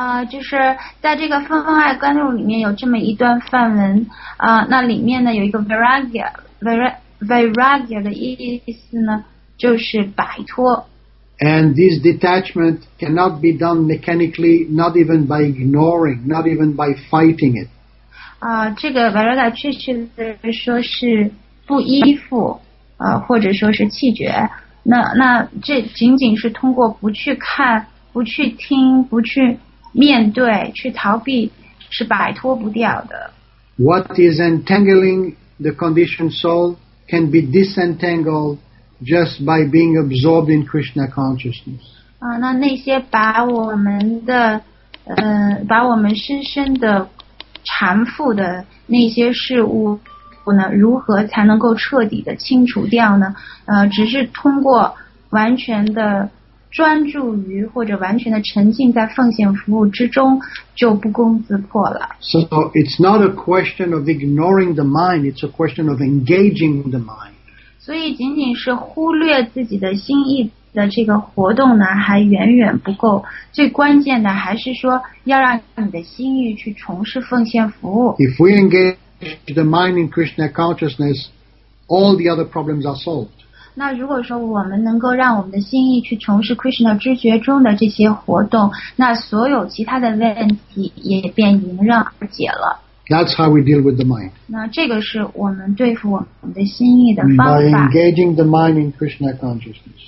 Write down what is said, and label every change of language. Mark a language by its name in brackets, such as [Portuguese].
[Chinese] 就是在这个分分爱观录里面有这么一段梵文那里面呢有一个 viragya 的意思呢就是摆脱 [English] and this detachment cannot be done mechanically not even by ignoring not even by fighting it [Chinese] 这个 viragya 确实说是不依附或者说是弃绝那这仅仅是通过不去看不去听不去面对去逃避是摆脱不掉的 [English] What is entangling the conditioned soul can be disentangled just by being absorbed in Krishna consciousness [Chinese] 那些把我们的把我们深深的缠缚的那些事物呢如何才能够彻底的清除掉呢只是通过完全的专注于或者完全的沉浸在奉献服务之中就不攻自破了 [English] So it's not a question of ignoring the mind It's a question of engaging the mind [Chinese] 所以仅仅是忽略自己的心意的这个活动呢还远远不够最关键的还是说要让你的心意去从事奉献服务 [English] If we engage the mind in Krishna consciousness all the other problems are solved [Chinese] 那如果说我们能够让我们的心意去从事 Krishna 知觉中的这些活动，那所有其他的问题也便迎刃而解了。 [English] That's how we deal with the mind. [Chinese] 那这个是我们对付我们的心意的方法。 [English] By engaging the mind in Krishna consciousness.